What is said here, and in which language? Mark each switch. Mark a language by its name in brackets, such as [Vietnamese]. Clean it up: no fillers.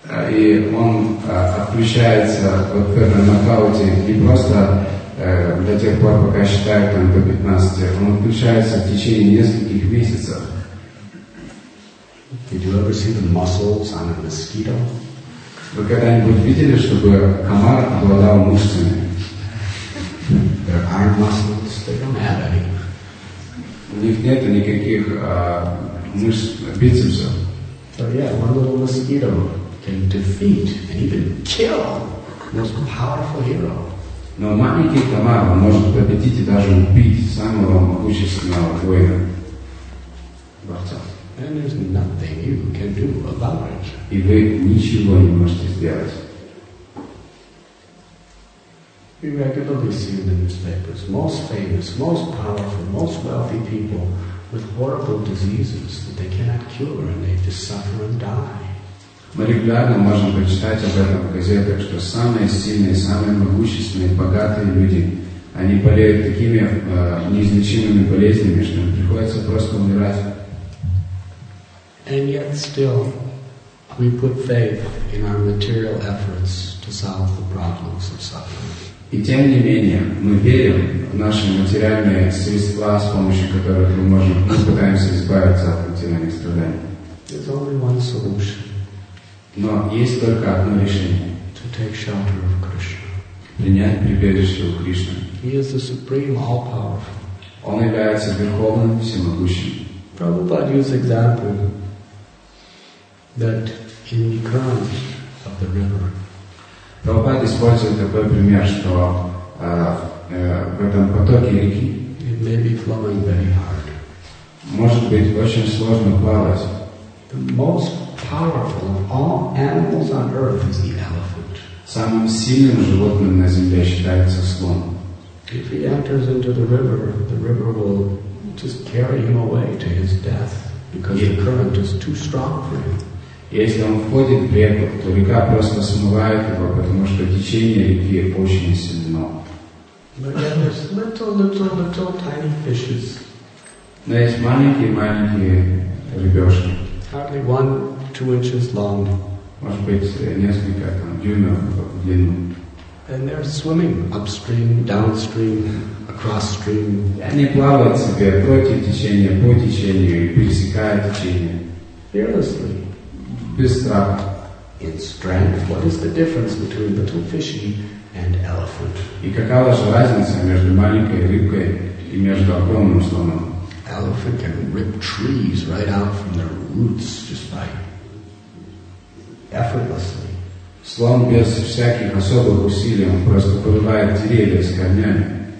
[Russian] И он отключается вот в этом нокауте не просто до тех пор, пока считают там до 15, он отключается в течение нескольких месяцев. [English] Did you ever see the muscles on a mosquito? [Russian] Вы когда-нибудь видели, чтобы комар обладал мышцами? [English] There aren't muscles, they don't have any. [Russian] У них нет никаких мышц, бицепсов. [English] So yeah, one little mosquito can defeat and even kill the most powerful hero. [Russian] Но маленький комар может победить и даже убить самого могущественного воина. Борца. [English] And there's nothing you can do about it. [Russian] И вы ничего не можете сделать. [English] We regularly see in the newspapers most famous, most powerful, most wealthy people with horrible diseases that they cannot cure and they just suffer and die. [Russian] Мы регулярно можем прочитать об этом в газетах, что самые сильные, самые могущественные, богатые люди, они болеют такими неизлечимыми болезнями, что им приходится просто умирать. [English] And yet still, We put faith in our material efforts to solve the problems of suffering. [Russian] И тем не менее, мы верим в наши материальные средства, с помощью которых мы можем, мы пытаемся избавиться от материальных страданий. [English] There's only one solution. [Russian] Но есть только одно решение. [English] To take shelter of Krishna. [Russian] Принять прибежище у Кришны. [English] He is the supreme, all-powerful. [Russian] Он является верховным, всемогущим. [English] Prabhupada used example that in the current of the river. [Russian] Прабхупада использует такой пример, что в этом потоке реки [English] it may be flowing very hard. [Russian] Может быть очень сложно плавать. [English] The most powerful of all animals on earth is the elephant. [Russian] Самым сильным животным на земле считается слон. [English] If he enters into the river will just carry him away to his death because the current is too strong for him. [Russian] Если он входит в реку, то река просто смывает его, потому что течение реки очень сильно. [English] But then there's little tiny fishes. [Russian] Но есть маленькие рыбешки. [English] Hardly 1-2 inches long. [Russian] Может быть несколько там дюймов в длину. [English] And they're swimming upstream, downstream, across stream. [Russian] Они плавают себе против течения, по течению и пересекают течение. [English] Fearlessly. [Russian] Без страха. [English] In strength, what is the difference between the two fishy and elephant? [Russian] И какова же разница между маленькой рыбкой и между огромным слоном? [English] Elephant can rip trees right out from their roots just by effortlessly. [Russian] Слон без всяких особых усилий, он просто вырывает деревья с корнями.